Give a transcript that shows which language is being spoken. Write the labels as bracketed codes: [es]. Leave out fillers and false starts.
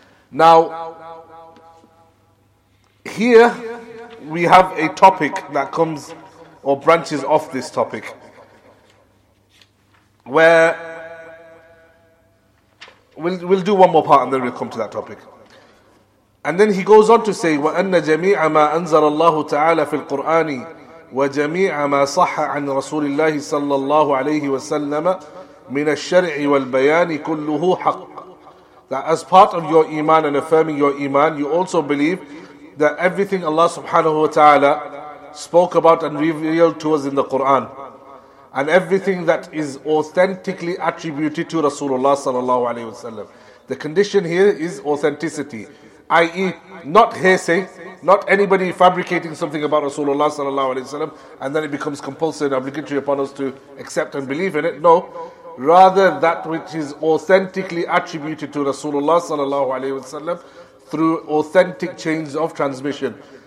[en] Now, here we have a topic that comes or branches off this topic, where we'll do one more part and then we'll come to that topic. And then he goes on to say, [ar] وَأَنَّ جَمِيعَ مَا أَنزَلَ اللَّهُ تَعَالَى فِي الْقُرْآنِ وَجَمِيعَ مَا صَحَّ عَنْ رَسُولِ اللَّهِ صَلَّى اللَّهُ عَلَيْهِ وَسَلَّمَ مِنَ الشَّرْعِ وَالْبَيَانِ كُلُّهُ حَقٌّ. [en] That as part of your iman and affirming your iman, you also believe that everything Allah subhanahu wa ta'ala spoke about and revealed to us in the Quran, and everything that is authentically attributed to Rasulullah sallallahu alaihi wasallam. The condition here is authenticity, i.e. not hearsay, not anybody fabricating something about Rasulullah sallallahu alaihi wasallam and then it becomes compulsory and obligatory upon us to accept and believe in it. No, rather that which is authentically attributed to Rasulullah sallallahu alaihi wasallam through authentic chains of transmission.